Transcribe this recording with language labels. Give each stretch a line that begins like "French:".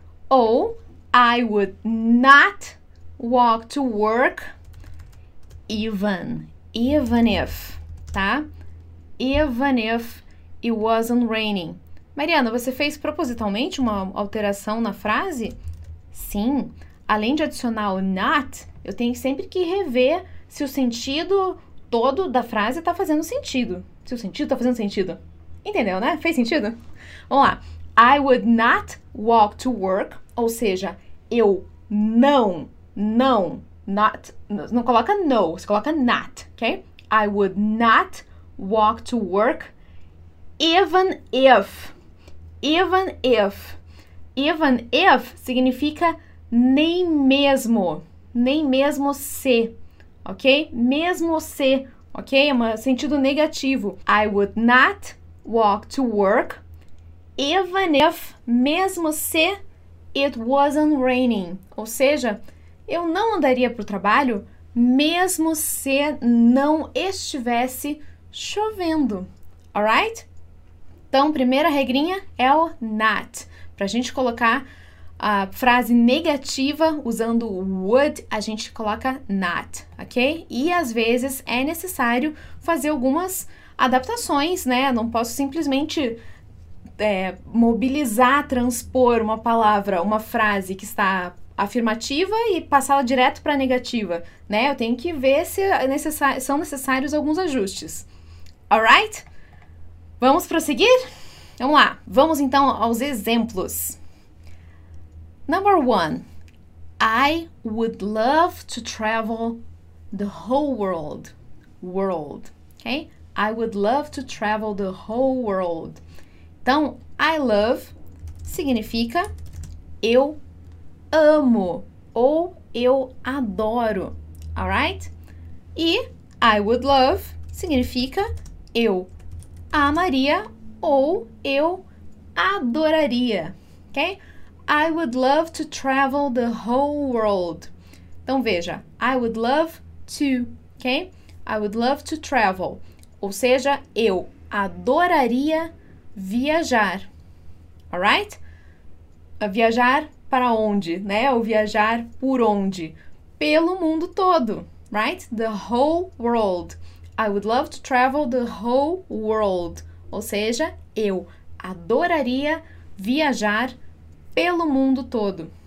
English: Ou, I would not walk to work even if, tá? Even if it wasn't raining.
Portuguese: Mariana, você fez propositalmente uma alteração na frase? Sim. Além de adicionar o not, eu tenho sempre que rever se o sentido todo da frase está fazendo sentido. Se o sentido está fazendo sentido. Entendeu, né? Fez sentido? Vamos lá.
English: I would not walk to work,
Portuguese: ou seja, eu not, não coloca no, você coloca not, ok?
English: I would not walk to work even if
Portuguese: significa nem mesmo se, ok? Mesmo se, ok? É um sentido negativo.
English: I would not walk to work even if,
Portuguese: mesmo se,
English: it wasn't raining.
Portuguese: Ou seja, eu não andaria para o trabalho mesmo se não estivesse chovendo.
English: Alright?
Portuguese: Então, primeira regrinha é o not. Para a gente colocar a frase negativa usando would, a gente coloca not, ok? E às vezes é necessário fazer algumas adaptações, né? Não posso simplesmente mobilizar, transpor uma palavra, uma frase que está afirmativa e passá-la direto para a negativa, né? Eu tenho que ver se são necessários alguns ajustes.
English: Alright?
Portuguese: Vamos prosseguir? Vamos lá. Vamos então aos exemplos.
English: Number one. I would love to travel the whole world. World. Okay? I would love to travel the whole world.
Portuguese: Então,
English: I love
Portuguese: significa eu amo ou eu adoro.
English: Alright?
Portuguese: E
English: I would love
Portuguese: significa eu amaria ou eu adoraria. Ok?
English: I would love to travel the whole world.
Portuguese: Então, veja.
English: I would love to. Ok? I would love to travel.
Portuguese: Ou seja, eu adoraria viajar.
English: Alright?
Portuguese: Viajar para onde, né? Ou viajar por onde? Pelo mundo todo,
English: right? The whole world. I would love to travel the whole world.
Portuguese: Ou seja, eu adoraria viajar pelo mundo todo.